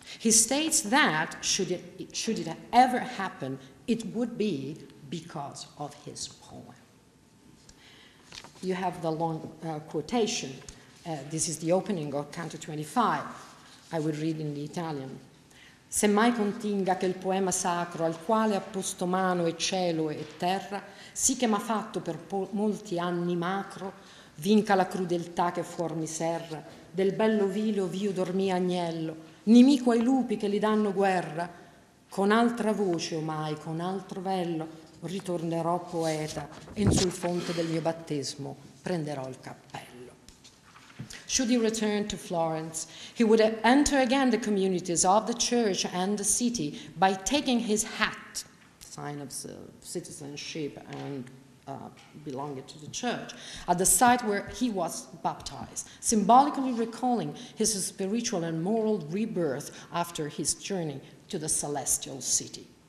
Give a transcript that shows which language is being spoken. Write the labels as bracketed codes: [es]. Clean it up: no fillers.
[en] He states that, should it ever happen, it would be because of his poem. You have the long quotation. This is the opening of Canto 25. I will read in the Italian. [it] Se mai continga che il poema sacro al quale ha posto mano e cielo e terra, sì che m'ha fatto per molti anni macro, vinca la crudeltà che fuor mi serra, del bello vilio vio dormì agnello, nemico ai lupi che li danno guerra, con altra voce omai, con altro vello, ritornerò poeta e sul fonte del mio battesimo prenderò il cappello. [en] Should he return to Florence, he would enter again the communities of the church and the city by taking his hat, sign of citizenship and belonging to the church, at the site where he was baptized, symbolically recalling his spiritual and moral rebirth after his journey to the celestial city.